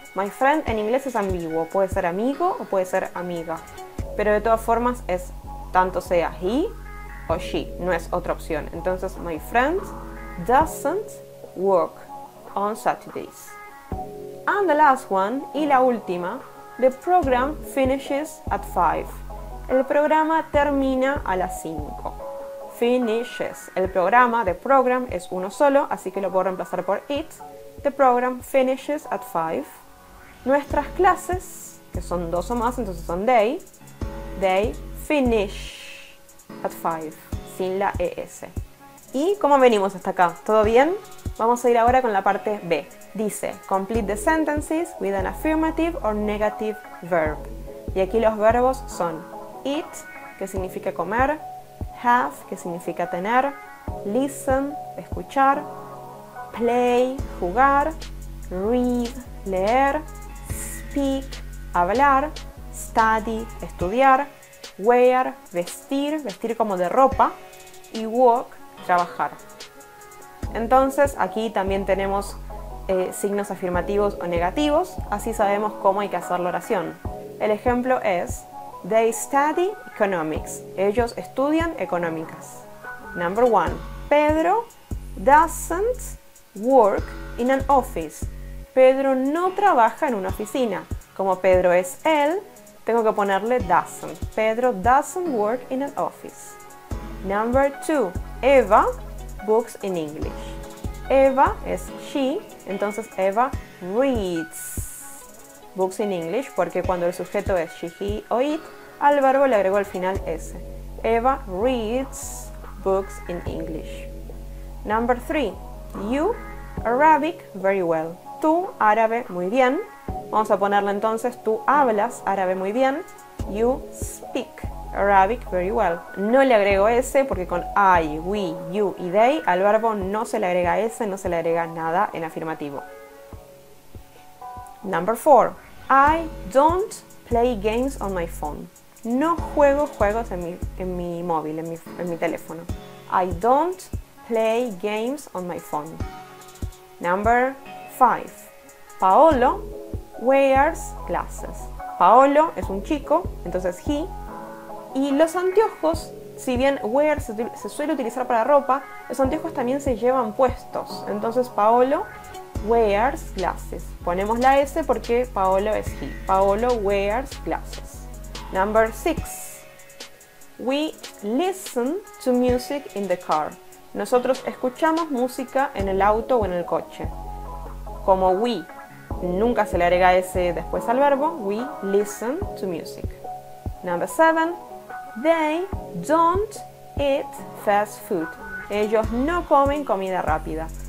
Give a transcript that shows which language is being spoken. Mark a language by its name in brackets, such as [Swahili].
[Spanish] My friend en inglés es ambiguo. Puede ser amigo o puede ser amiga. Pero de todas formas es tanto sea he o she. No es otra opción. [English] Entonces, my friend doesn't work on Saturdays. And the last one, [Spanish] y la última, [English] the program finishes at 5. [Spanish] El programa termina a las 5. Finishes. El programa, the program, es uno solo, así que lo puedo reemplazar por it. [English] The program finishes at 5. [Spanish] Nuestras clases, que son dos o más, entonces son [English] they finish at 5, [Spanish] sin la ES. ¿Y cómo venimos hasta acá? ¿Todo bien? Vamos a ir ahora con la parte B. [English] Dice, complete the sentences with an affirmative or negative verb. [Spanish] Y aquí los verbos son eat, que significa comer, have, que significa tener, listen, escuchar, play, jugar, read, leer, speak, hablar, study, estudiar, wear, vestir como de ropa, y walk, trabajar. Entonces, aquí también tenemos signos afirmativos o negativos, así sabemos cómo hay que hacer la oración. El ejemplo es, [English] they study economics. [Spanish] Ellos estudian económicas. [English] Number one, Pedro doesn't work in an office. [Spanish] Pedro no trabaja en una oficina. Como Pedro es él, tengo que ponerle doesn't. [English] Pedro doesn't work in an office. Number two, Eva books in English. [Spanish] Eva es she, entonces [English] Eva reads books in English, [Spanish] porque cuando el sujeto es she, he o it, al verbo le agrego al final s. [English] Eva reads books in English. Number three, you Arabic very well. [Spanish] Tú árabe muy bien. Vamos a ponerle entonces, tú hablas árabe muy bien. [English] You speak Arabic very well. [Spanish] No le agrego S porque con I, we, you y they al verbo no se le agrega S, no se le agrega nada en afirmativo. [English] Number 4. I don't play games on my phone. [Spanish] No juego juegos en mi móvil, en mi teléfono. [English] I don't play games on my phone. Number 5. Paolo wears glasses. [Spanish] Paolo es un chico, entonces he. Y los anteojos, si bien wear se suele utilizar para ropa, los anteojos también se llevan puestos. Entonces [English] Paolo wears glasses. [Spanish] Ponemos la S porque Paolo es he. [English] Paolo wears glasses. Number 6. We listen to music in the car. [Spanish] Nosotros escuchamos música en el auto o en el coche. Como we, nunca se le agrega S después al verbo. [English] We listen to music. Number 7. They don't eat fast food. [Spanish] Ellos no comen comida rápida.